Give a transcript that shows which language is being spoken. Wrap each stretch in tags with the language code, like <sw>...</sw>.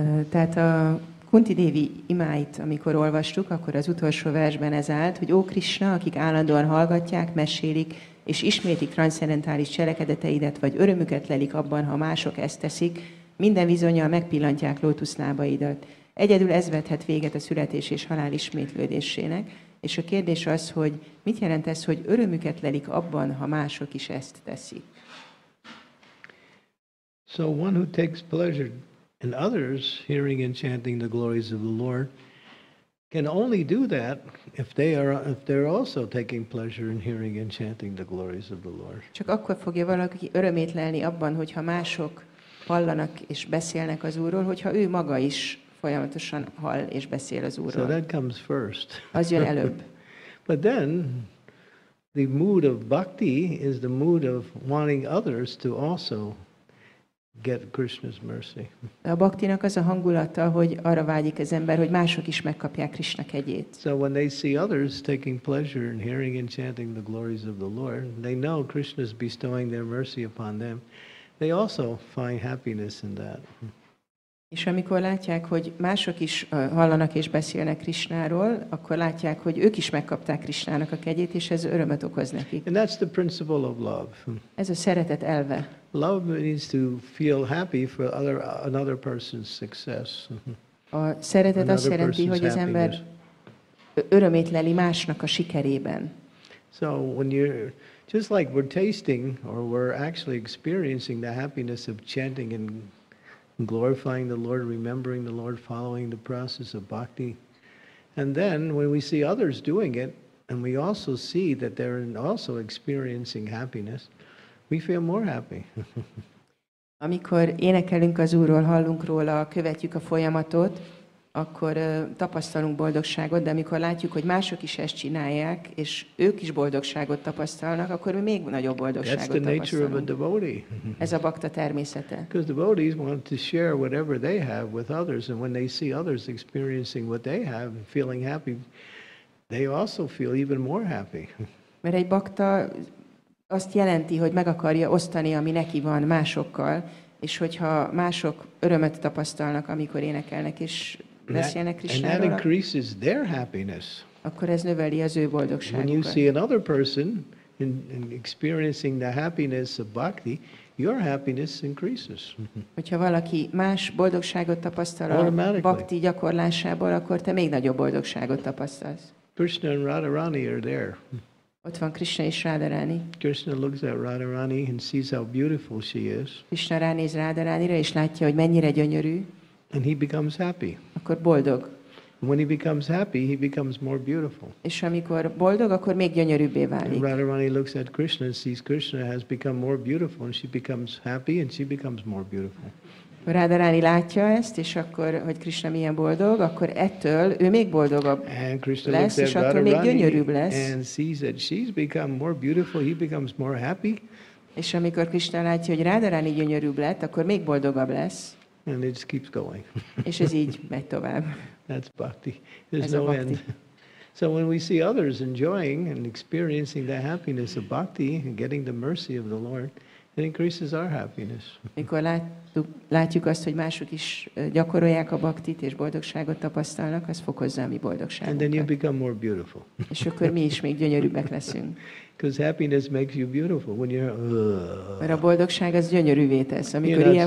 <hu>Tehát a Kunti Devi imáit, amikor olvastuk, akkor az utolsó versben ez állt, hogy ó Krishna, akik állandóan hallgatják, mesélik, és ismétik transzcendentális cselekedeteidet, vagy örömüket lelik abban, ha mások ezt teszik, minden bizonnyal megpillantják lótuszlábaidat. Egyedül ez vethet véget a születés és halál ismétlődésének. És a kérdés az, hogy mit jelent ez, hogy örömüket lelik abban, ha mások is ezt teszik?</hu> <en>So one who takes pleasure in others hearing and chanting the glories of the Lord can only do that if they're also taking pleasure in hearing and chanting the glories of the Lord.</en> <hu>Csak akkor fogja valaki örömét lelni abban, hogyha mások hallanak és beszélnek az Úrról, hogyha ő maga is folyamatosan hall és beszél az Úrról.</hu> <en>So that comes first.</en> <hu>Az jön előbb.</hu> <en>But then the mood of bhakti is the mood of wanting others to also get Krishna's mercy.</en> <hu>A bhaktinak az a hangulata, hogy arra vágyik az ember, hogy mások is megkapják Krishna kegyét.</hu> <en>So when they see others taking pleasure in hearing and chanting the glories of the Lord, they know Krishna is bestowing their mercy upon them. They also find happiness in that.</en> <hu>És amikor látják, hogy mások is hallanak és beszélnek Krisnáról, akkor látják, hogy ők is megkapták Krisnának a kegyét, és ez örömet okoz nekik.</hu> <en>And that's the principle of love.</en> <hu>Ez a szeretet elve.</hu> <en>Love means to feel happy for another person's success.</en> <hu>A szeretet azt jelenti, hogy az ember örömét leli másnak a sikerében.</hu> <en>So when you're just like we're tasting or we're actually experiencing the happiness of chanting and glorifying the Lord, remembering the Lord, following the process of bhakti. And then when we see others doing it, and we also see that they're also experiencing happiness, we feel more happy.</en> <hu>Amikor énekelünk az Úrról, hallunk róla, követjük a folyamatot, akkor tapasztalunk boldogságot, de amikor látjuk, hogy mások is ezt csinálják, és ők is boldogságot tapasztalnak, akkor mi még nagyobb boldogságot tapasztalunk.</hu> <en>That's the nature of a devotee.</en> <hu>Ez a bhakta természete.</hu> <en>Because devotees want to share whatever they have with others, and when they see others experiencing what they have and feeling happy, they also feel even more happy.</en> <hu>Mert egy bhakta azt jelenti, hogy meg akarja osztani, ami neki van másokkal, és hogyha mások örömet tapasztalnak, amikor énekelnek és beszélnek Krisnáról,</hu> <en>that increases their happiness.</en> <hu>Akkor ez növeli az ő boldogságukat.</hu> <en>When you see another person in experiencing the happiness of bhakti, your happiness increases.</en> <hu>Hogyha valaki más boldogságot tapasztal a bhakti gyakorlásából, akkor te még nagyobb boldogságot tapasztalsz.</hu> <en>Krishna and Radharani are there.</en> <hu>Ott van Krishna és Radharani.</hu> <en>Krishna looks at Radharani and sees how beautiful she is.</en> <hu>Krishna ránéz Radharanira és látja, hogy mennyire gyönyörű.</hu> <en>And he becomes happy.</en> <hu>Akkor boldog.</hu> <en>And when he becomes happy, he becomes more beautiful.</en> <hu>És amikor boldog, akkor még gyönyörűbbé válik.</hu> <en>And Radharani looks at Krishna and sees Krishna has become more beautiful, and she becomes happy and she becomes more beautiful.</en> <hu>Radharani látja ezt, és akkor, hogy Krishna milyen boldog, akkor ettől ő még boldogabb lesz, és attól még gyönyörűbb lesz.</hu> <en>And sees that she's become more beautiful, he becomes more happy.</en> <hu>És amikor Krishna látja, hogy Radharani gyönyörűbb lett, akkor még boldogabb lesz.</hu> <en>And it just keeps going.</en> <hu>És ez így megy tovább.</hu> <en>That's bhakti. There's no end. So when we see others enjoying and experiencing the happiness of bhakti and getting the mercy of the Lord, it increases our happiness.</en> <hu>Mikor látjuk azt, hogy mások is gyakorolják a baktit és boldogságot tapasztalnak, az fokozza a mi boldogságunkat.</hu> <en>And then you become more beautiful.</en> <hu>És akkor mi is még gyönyörűbbek leszünk.</hu> <en>Because happiness makes you beautiful when you're.</en> <hu>Mert a boldogság az gyönyörűvé tesz, amikor</hu> <en>you're</en> <hu>ilyen</hu>